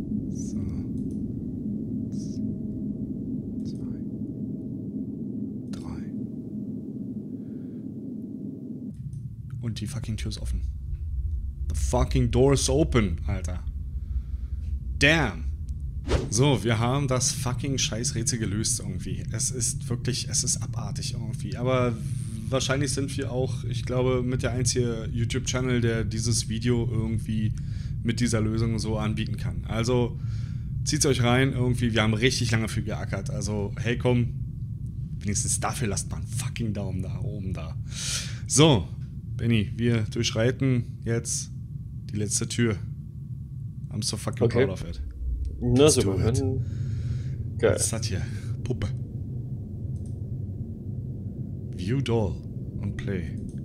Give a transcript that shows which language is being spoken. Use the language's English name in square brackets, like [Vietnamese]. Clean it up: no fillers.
[German] So. 2. 3. Und die fucking Tür ist offen. [English] The fucking door is open, Alter. Damn. [German] So, wir haben das fucking Scheißrätsel gelöst irgendwie. Es ist abartig irgendwie. Aber wahrscheinlich sind wir auch, ich glaube, mit der einzige YouTube-Channel, der dieses Video irgendwie mit dieser Lösung so anbieten kann. Also, zieht's euch rein irgendwie. Wir haben richtig lange für geackert. Also, hey komm, wenigstens dafür lasst mal einen fucking Daumen da oben da. So, Benny, wir durchschreiten jetzt die letzte Tür. [English] I'm so fucking proud of it. [German] Na super, dann... Geil. Was hat hier? Puppe. [English] View Doll und Play.